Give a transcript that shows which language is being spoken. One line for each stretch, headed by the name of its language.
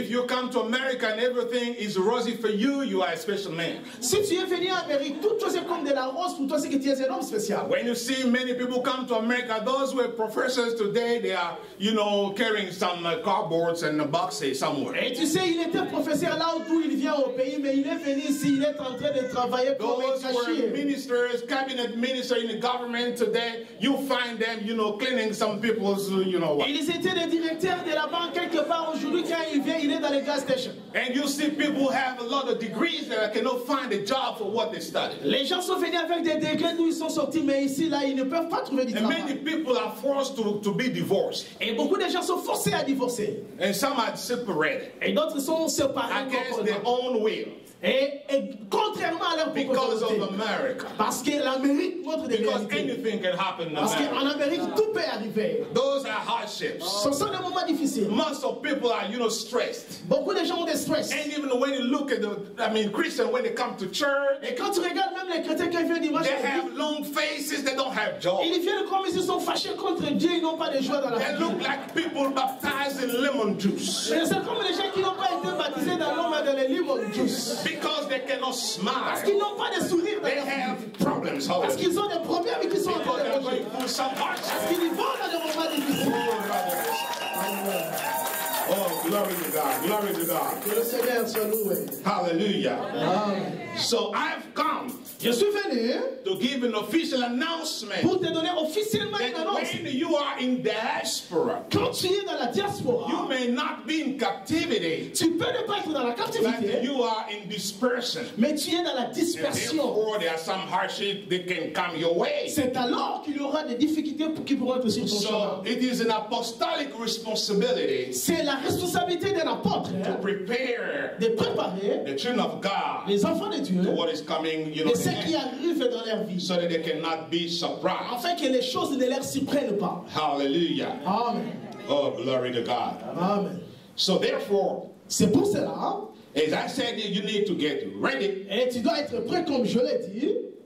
English: If you come to America and everything is rosy for you, you are a special man.
French: Si tu es venu en Amérique, toutes choses comme de la rose pour toi, c'est que tu es un homme spécial.
English: When you see many people come to America, those who are professors today, they are, you know, carrying some cardboards and boxes somewhere.
French: Et tu sais, il était professeur là où il vient au pays, mais il est venu ici, il est en train de travailler comme un cachier.
English: Those who are ministers, cabinet ministers in the government today, you find them, you know, cleaning some people's, you know what.
French: Ils étaient des directeurs de la banque.
English: And you see people have a lot of degrees that I cannot find a job for what they studied. And many people are forced to be divorced. And some are separated. Against their own will.
French: Contrairement à leur
English: because of America.
French: Parce que l'Amérique montre des
English: because réalités. Anything can happen in America.
French: Parce qu'en Amérique, tout peut arriver.
English: Those are hardships.
French: Ce sont des moments difficiles.
English: Most of people are, you know, stressed.
French: Beaucoup de gens ont des stress.
English: And even when you look at Christians when they come to church.
French: Et quand tu regardes même les chrétiens qui viennent dimanche,
English: they have long faces. They don't have joy.
French: Ils viennent comme ils sont fâchés contre Dieu. Ils n'ont pas de joie dans la vie.
English: They look like people baptized in lemon juice.
French: Et c'est comme les gens qui n'ont pas été baptisés dans l'eau mais dans les
English: lemon juice. Because they cannot smile.
French: Parce qu'ils n'ont pas de sourire.
English: They have problems. Holy.
French: Parce qu'ils ont des problèmes et qu'ils sont
English: because
French: en train de
English: going through some hardship.
French: Parce qu'ils vont dans des moments difficiles.
English: Oh, glory to God. Glory to God.
French: Que le Seigneur soit loué.
English: Hallelujah. Amen. So I've come.
French: Je suis venu
English: to give an official announcement
French: pour te donner officiellement
English: that
French: une annonce.
English: When you are in diaspora,
French: quand tu es dans la diaspora,
English: you may not be in captivity,
French: tu peux ne pas être dans la captivité,
English: but you are in dispersion,
French: mais tu es dans la dispersion.
English: Therefore, there are some hardships that can come your way.
French: C'est alors qu'il y aura des difficultés qui pourront être sur ton chemin.
English: So it is an apostolic responsibility.
French: C'est la responsabilité d'un apôtre
English: to prepare
French: de préparer
English: the children of God,
French: les enfants de Dieu,
English: to what is coming, you know.
French: Ce qui arrive dans leur vie.
English: So that they cannot be surprised.
French: Afin que les choses ne leur surprennent pas.
English: Hallelujah. Amen. Oh, glory to God. Amen. So therefore,
French: c'est pour cela,
English: as I said, you need to get ready.
French: Et tu dois être prêt comme je l'ai dit.